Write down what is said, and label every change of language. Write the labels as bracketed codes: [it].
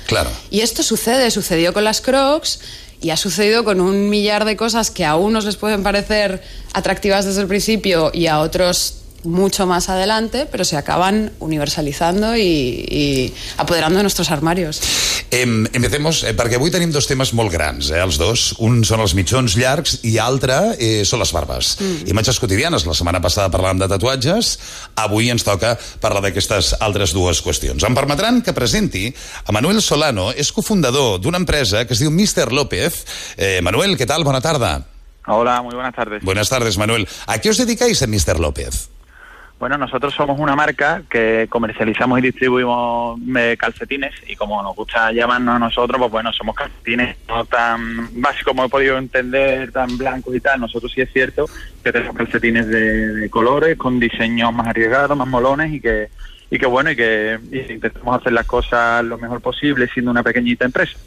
[es] Claro. Y esto sucede. Sucedió con las Crocs y ha sucedido con un millar de cosas que a unos les pueden parecer atractivas desde el principio y a otros mucho más adelante, pero se acaban universalizando y apoderando de nuestros armarios. Empecemos, [ca] perquè avui tenim dos temes molt grans, els dos. Un són els mitjons llargs i l'altre són les barbes. Imatges quotidianes, la setmana passada parlàvem de tatuatges, avui ens toca parlar d'aquestes altres dues qüestions. Em permetran que presenti a Manuel Solano, és cofundador d'una empresa que es diu Mr. López. Manuel, què tal? Bona tarda. [es] Hola, muy buenas tardes. Buenas tardes, Manuel. ¿A qué os dedicáis en Mr. López? Bueno, nosotros somos una marca que comercializamos y distribuimos calcetines y como nos gusta llamarnos a nosotros, pues bueno, somos calcetines no tan básicos como he podido entender, tan blancos y tal. Nosotros sí es cierto que tenemos calcetines de colores, con diseños más arriesgados, más molones y que intentamos hacer las cosas lo mejor posible siendo una pequeñita empresa.